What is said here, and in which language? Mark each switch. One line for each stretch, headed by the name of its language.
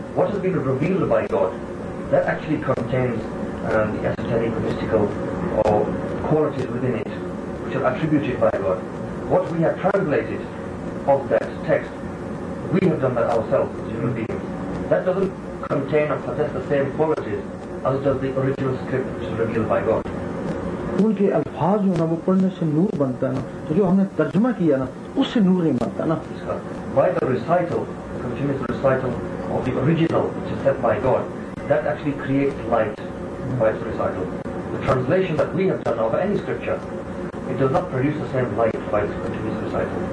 English: What has been revealed by God? That actually contains the esoteric, mystical, or qualities within it, which are attributed by God. What we have translated of that text, we have done that ourselves as human beings. That doesn't contain or possess the same qualities as does the original script, which is revealed by God.
Hindi: उनके अल्फाज जो ना वो पढ़ने से नूर बनता है ना तो जो हमने तर्जमा किया ना उससे नूर नहीं बनता ना.
English: By the recital, the continuous recital of the original, which is set by God, that actually creates light by its recital. The translation that we have done of any scripture, it does not produce the same light by its continuous recital.